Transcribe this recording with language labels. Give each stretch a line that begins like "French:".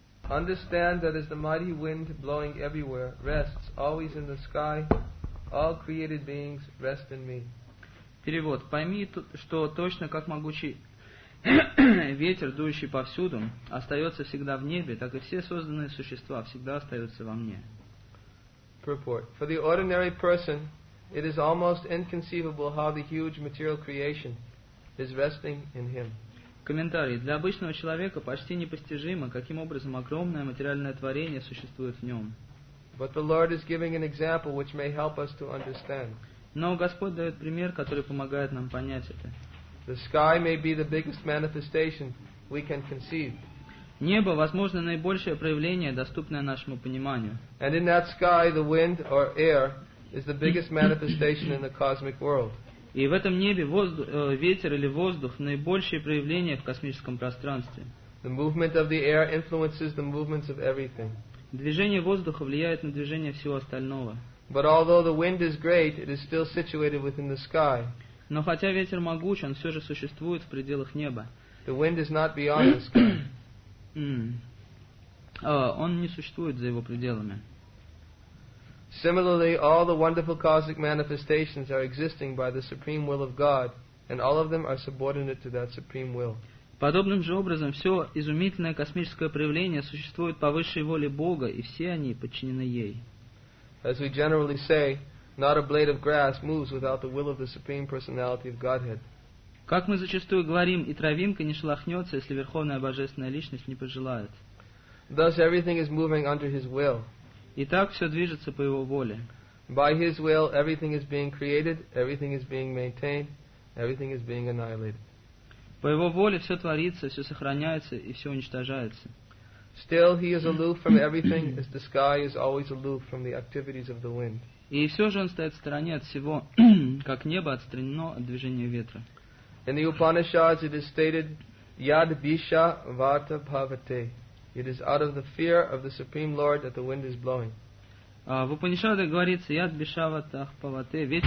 English: Understand that as the mighty wind blowing everywhere rests always in the sky, all created beings rest in me.
Russian: Перевод. Пойми, что точно как могучий ветер, дующий повсюду, остается всегда в небе, так и все созданные существа всегда остаются во мне.
English: Purport. For the ordinary person, it is almost inconceivable how the huge material creation is resting in him.
Russian: Комментарий. Для обычного человека почти непостижимо, каким образом огромное материальное творение существует в нем.
English: But the Lord is giving an example which may help us to understand.
Russian: Но Господь дает пример, который помогает нам понять это.
English: The sky may be the biggest manifestation we can conceive.
Russian: Небо, возможно, наибольшее проявление, доступное нашему пониманию.
English: And in that sky, the wind or air is the biggest manifestation in the cosmic world.
Russian: И в этом небе ветер или воздух наибольшее проявление в космическом пространстве.
English: The movement of the air influences the movements of everything.
Russian: Движение воздуха влияет на движение всего остального.
English: But although the wind is great, it is still situated within the sky.
Russian: Но хотя ветер могуч, он все же существует в пределах неба.
English: The wind is not beyond the sky.
Russian: Он не существует за его пределами.
English: Similarly, all the wonderful cosmic manifestations are existing by the supreme will of God, and all of them are subordinate to that supreme will.
Russian: Подобным же образом все изумительное космическое проявление существует по высшей воле Бога, и все они подчинены ей.
English: As we generally say, not a blade of grass moves without the will of the Supreme Personality of Godhead.
Russian: Как мы зачастую говорим, и травинка не шелохнется, если Верховная Божественная Личность не пожелает.
English: Thus everything is moving under His will.
Russian: Итак, все движется по Его воле.
English: By His will, everything is being created, everything is being maintained, everything is being annihilated.
Russian: По Его воле все творится, все сохраняется и все уничтожается.
English: Still, he is aloof from everything, as the sky is always aloof from the activities of the wind.
Russian: И все же он стоит в стороне от всего, как небо отстранено от движения ветра.
English: In the Upanishads, it is stated,
Sanskrit: "Yad bisha vata bhavate."
English: It is out of the fear of the Supreme Lord that the wind is blowing.
Russian: В Упанишадах говорится,
Sanskrit: "Yad bisha vata bhavate."